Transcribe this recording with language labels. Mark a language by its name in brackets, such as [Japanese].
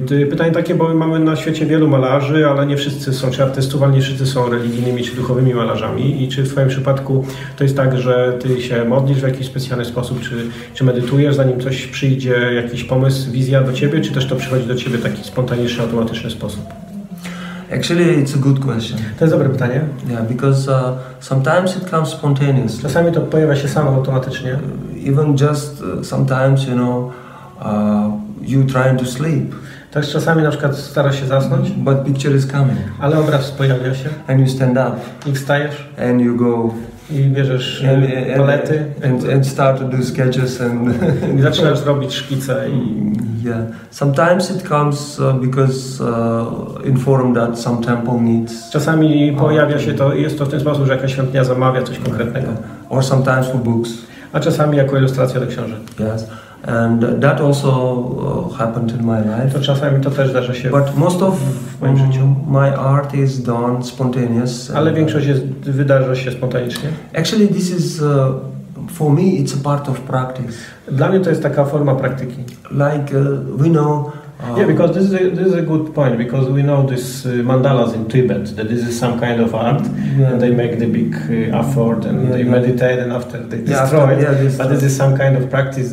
[Polish] pytanie takie, bo mamy na świecie wielu malarzy, ale nie wszyscy są, czy artystów, ale nie wszyscy są religijnymi czy duchowymi malarzami. I czy w Twoim przypadku to jest tak, że Ty się modlisz w jakiś specjalny sposób, czy medytujesz, zanim coś przyjdzie, jakiś pomysł, wizja do Ciebie, czy też to przychodzi do Ciebie w taki spontaniczny, automatyczny sposób? [English] Actually, it's a good question. [Polish] To jest dobre pytanie. [English] Yeah, because sometimes it comes spontaneously. [Polish] Czasami to pojawia się samo automatycznie. [English] Even just sometimes, you know, you trying to sleep. [Polish] Tak, czasami na przykład starasz się zasnąć. [English] But picture is coming. [Polish] Ale obraz pojawia się. [English] And you stand up. [Polish] I wstajesz. [English] And you go [Polish] I bierzesz palety. [English] And start to do sketches and... [Polish] I zaczynasz robić szkice i... [English] Yeah. Sometimes it comes because inform that some temple needs. [Polish] Czasami pojawia się to, jest to w ten sposób, że jakaś świątnia zamawia coś konkretnego. [English] Yeah. Or sometimes for books. [Polish] A czasami jako ilustracja do książek. [English] Yes. And that also happened in my life. [Polish] To czasami to też zdarza się. [English] But most of [Polish] moim życiu [English] my art is done spontaneous. [Polish] Ale większość jest, wydarza się spontanicznie. [English] Actually, this is for me. It's a part of practice. [Polish] Dla mnie to jest taka forma praktyki. [English] Like we know. Yeah, because this is a good point. Because we know this mandalas in Tibet. That this is some kind of art, yeah. And they make the big effort and yeah, they meditate, and after they destroy it. But this is some kind of practice.